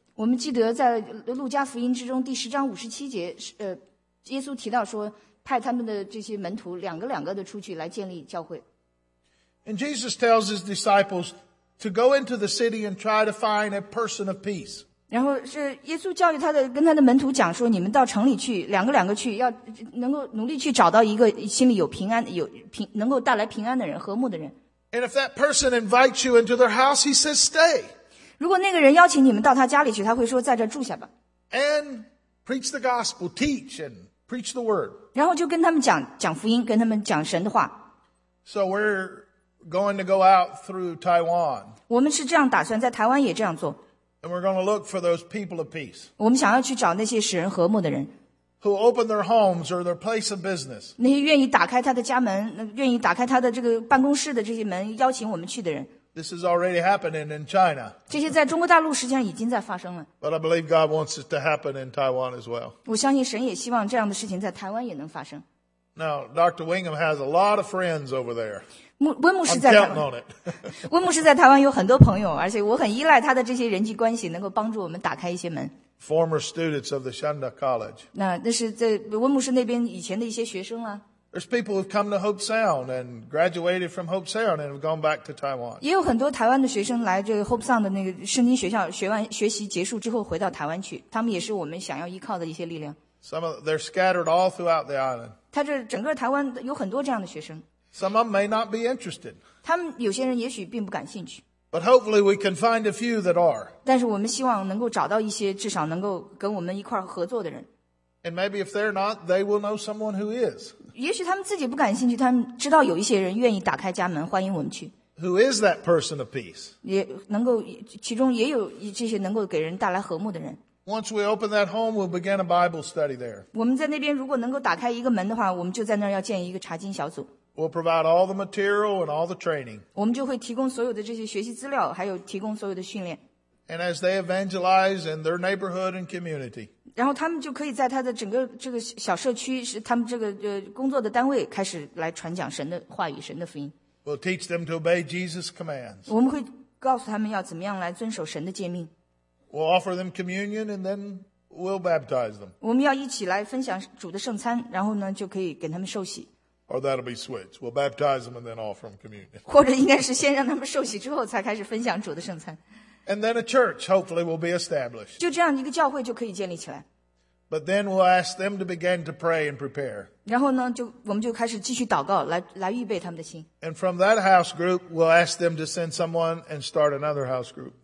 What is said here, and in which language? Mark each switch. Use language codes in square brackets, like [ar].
[zh] 我们记得在路加福音之中第10章57节耶稣提到说派他们的这些门徒两个两个的出去来建立教会。 [en] And Jesus tells his disciples to go into the city and try to find a person of peace. [zh] 然后是耶稣教育他的跟他的门徒讲说，你们到城里去，两个两个去，要能够努力去找到一个心里有平安，有平能够带来平安的人，和睦的人。 [en] And if that person invites you into their house, he says, stay. [zh] 如果那个人邀请你们到他家里去，他会说在这住下吧。 [en] And preach the gospel, teach and preach the word. [zh] 然后就跟他们讲讲福音，跟他们讲神的话。 [en] So we're going to go out through Taiwan. [zh] 我们是这样打算，在台湾也这样做。 [en] And we're going to look for those people of peace. [zh] 我们想要去找那些使人和睦的人。 [en] Who open their homes or their place of business. [zh] 那些愿意打开他的家门，愿意打开他的这个办公室的这些门，邀请我们去的人。 [en] This is already happening in China. [zh] 这些在中国大陆实际上已经在发生了。 [en] But I believe God wants it to happen in Taiwan as well. [zh] 我相信神也希望这样的事情在台湾也能发生。 [en] Now, Dr. Wingham has a lot of friends over there. [zh] 温牧师在台湾。温牧师在台湾有很多朋友，而且我很依赖他的这些人际关系，能够帮助我们打开一些门。 [en] Former students of the Shanda College. [zh] 那是在温牧师那边以前的一些学生啊。 [en] There's people who've come to Hope Sound and graduated from Hope Sound and have gone back to Taiwan. [zh] 也有很多台湾的学生来这 Hope Sound 的那个圣经学校学完学习结束之后回到台湾去，他们也是我们想要依靠的一些力量。 [en] Some of they're scattered all throughout the island. [zh] 他这整个台湾有很多这样的学生。 [en] Some of them may not be interested. [zh] 他们有些人也许并不感兴趣。 [en] But hopefully we can find a few that are. [zh] 但是我们希望能够找到一些至少能够跟我们一块合作的人。 [en] And maybe if they're not, they will know someone who is. [zh] 也许他们自己不感兴趣，他们知道有一些人愿意打开家门欢迎我们去。 [en] Who is that person of peace? [zh] 也能够其中也有这些能够给人带来和睦的人。 [en] Once we open that home, we'll begin a Bible study there. [zh] 我们在那边如果能够打开一个门的话，我们就在那儿要建一个查经小组。 [en] We'll provide all the material and all the training. [zh] 我们就会提供所有的这些学习资料，还有提供所有的训练。 [en] And as they evangelize in their neighborhood and community. [zh] 然后他们就可以在他的整个这个小社区，是他们这个工作的单位，开始来传讲神的话语，神的福音。 [en] We'll teach them to obey Jesus' commands. [zh] 我们会告诉他们要怎么样来遵守神的诫命。 [en] We'll offer them communion and then we'll baptize them. [zh] 我们要一起来分享主的圣餐，然后呢就可以给他们受洗。 [en] Or that'll be switched. We'll baptize them and then offer them communion. [zh] 或者应该是先让他们受洗之后才开始分享主的圣餐。 [en] And then a church hopefully will be established. [zh] 就这样一个教会就可以建立起来。 [en] But then we'll ask them to begin to pray and prepare. [zh] 然后呢就我们就开始继续祷告来预备他们的心。 [en] And from that house group, we'll ask them to send someone and start another house group.